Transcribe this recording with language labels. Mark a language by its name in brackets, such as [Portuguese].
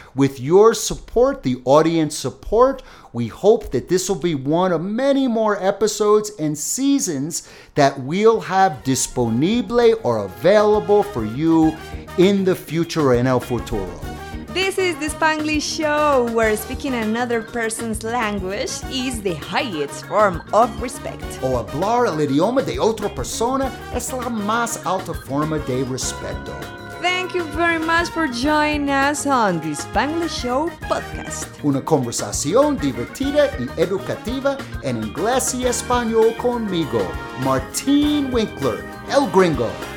[English] With your support, the audience support, we hope that this will be one of many more episodes and seasons that we'll have disponible or available for you in the future in El Futuro. This is the Spanglish Show, where speaking another person's language is the highest form of respect. [Spanish] O hablar el idioma de otra persona es la más alta forma de respeto. [English] Thank you very much for joining us on the Spanglish Show podcast. [Spanish] Una conversación divertida y educativa en inglés y español conmigo, Martín Winkler, el gringo.